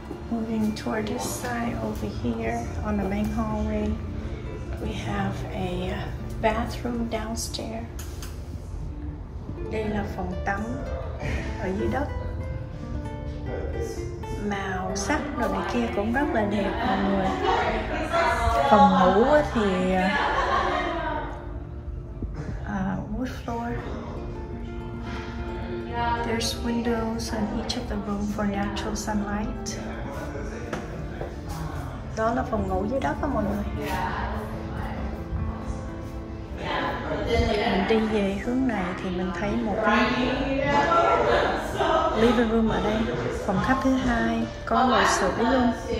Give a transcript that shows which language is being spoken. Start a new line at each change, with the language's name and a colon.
English: Moving toward this side over here on the main hallway, we have a bathroom downstairs.
Vietnamese: Đây là phòng tắm ở dưới đất. Màu sắc đồ này kia cũng rất là đẹp mọi người. Phòng ngủ thì wood floor.
English: There's windows on each of the room for natural sunlight.
Vietnamese: Đó là phòng ngủ dưới đất đó mọi người. Mình đi về hướng này thì mình thấy một cái living room ở đây. Phòng khách thứ hai có lò sưởi luôn.